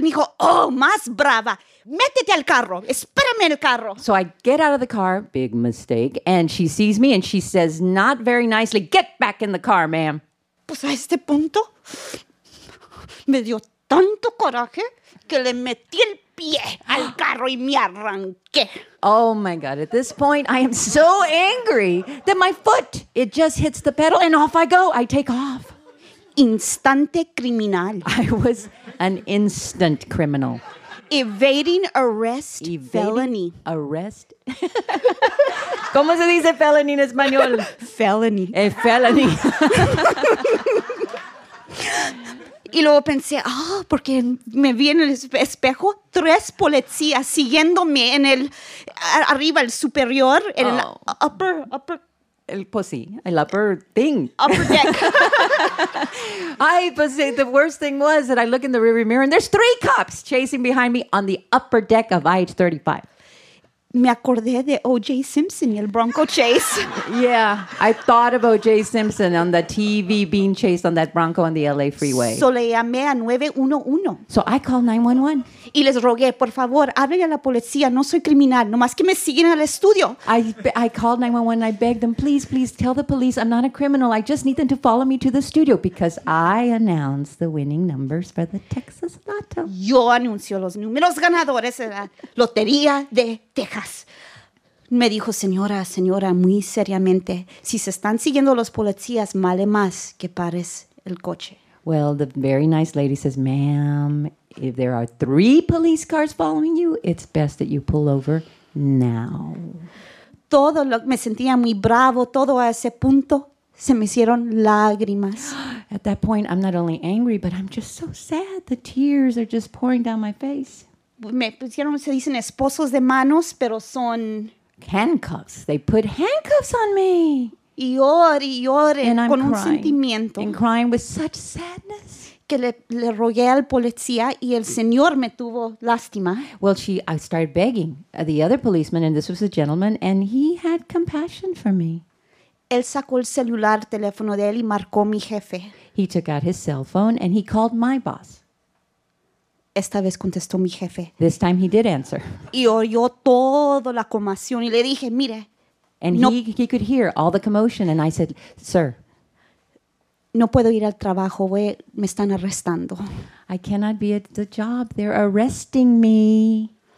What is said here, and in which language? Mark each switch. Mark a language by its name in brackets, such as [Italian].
[Spanish] Y me dijo, oh, más brava. Métete al carro. Espérame en el carro. [English] So I get out of the car, big mistake, and she sees me and she says, not very nicely, get back in the car, ma'am. [Spanish] Pues a este punto, me dio tanto coraje que le metí el pie al carro y me arranqué. [English] Oh my God, at this point I am so angry that my foot, it just hits the pedal and off I go. I take off. [Spanish] Instante criminal. [English] I was an instant criminal. Evading arrest. Evading felony. Arrest. [Spanish] ¿Cómo se dice felony en español? [English] Felony. A felony. [Spanish] Y luego pensé, porque me vi en el espejo, tres policías siguiéndome en el, arriba, el superior, en el upper. El, pues sí, el [English] upper thing. Upper deck. the worst thing was that I look in the rearview mirror and there's three cops chasing behind me on the upper deck of IH-35. [Spanish] Me acordé de O.J. Simpson y el Bronco Chase. [English] Yeah, I thought of O.J. Simpson on the TV being chased on that Bronco on the L.A. freeway. [Spanish] So le llamé a 911. [English] So I called 911. [Spanish] Y les rogué, por favor, háblenle a la policía. No soy criminal, nomás que me siguen al estudio. [English] I called 911 and I begged them, please tell the police I'm not a criminal. I just need them to follow me to the studio because I announced the winning numbers for the Texas Lotto. [Spanish] Yo anuncio los números ganadores de la Lotería de Texas. Me dijo, señora, muy seriamente, si se están siguiendo los policías, vale más que pares el coche. [English] Well, the very nice lady says, ma'am, if there are three police cars following you, it's best that you pull over now. [Spanish] Todo lo que me sentía muy bravo, todo a ese punto, se me hicieron lágrimas. [English] At that point, I'm not only angry, but I'm just so sad. The tears are just pouring down my face. [Spanish] Me pusieron, se dicen esposos de manos, pero son... [English] Handcuffs. They put handcuffs on me. [Spanish] Y llore, llore, [English] and I'm [Spanish] con [English] crying. [Spanish] Un sentimiento. [English] And crying with such sadness. [Spanish] Que le rogué al policía y el señor me tuvo lástima. [English] Well, I started begging the other policeman, and this was a gentleman, and he had compassion for me. [Spanish] Él sacó el celular, teléfono de él, y marcó mi jefe. [English] He took out his cell phone, and he called my boss. [Spanish] Esta vez contestó mi jefe. [English] This time he did answer. [Spanish] Y oyó toda la conmoción, y le dije, mire. [English] And no, he could hear all the commotion, and I said, sir. [Spanish] No puedo ir al trabajo, me están arrestando. [English] I cannot be at the job, they're arresting me.